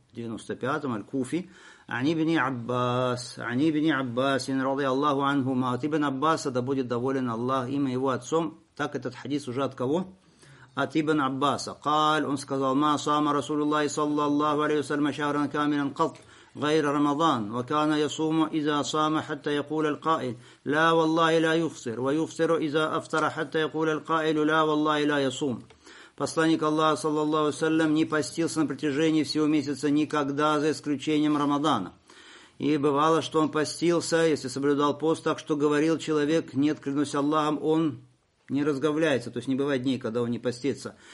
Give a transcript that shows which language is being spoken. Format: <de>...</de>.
<ru>В 95-м. Аль-Куфи. Ани-бни Аббас. Ани-бни Аббас. Ин ради Аллаху анхума. От Ибн Аббаса да будет доволен Аллах им и его отцом. Так этот хадис уже от кого? От Ибн Аббаса.</ru> <ar>Каль.</ar> <ru>Он сказал.</ru> <ar>Ма сама Расулуллахи саллаллаху алейхи вассалям шахран камилан кат. غير رمضان وكان يصوم إذا صام حتى يقول القائل لا والله لا يفطر ويفطر إذا أفطر حتى يقول القائل لا والله لا يصوم.</ar> <ru>Посланник Аллаха саллаллаху алейхи ва саллям не постился на протяжении всего месяца никогда, за исключением Рамадана. И бывало, что он постился, если соблюдал пост, так что говорил человек: нет, клянусь Аллахом, он не разговляется, то есть не бывает дней, когда он не постится.</ru>